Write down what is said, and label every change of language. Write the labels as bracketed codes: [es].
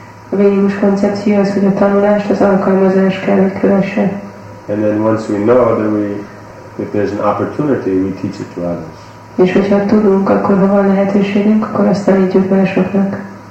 [hu] A vedikus koncepció az, hogy a tanulást, az alkalmazás kell, hogy kövesse. [en] And then once we know, then we, if there's an opportunity, we teach it to others. [hu] És hogyha tudunk, akkor ha van lehetőségünk, akkor azt tanítjuk másoknak.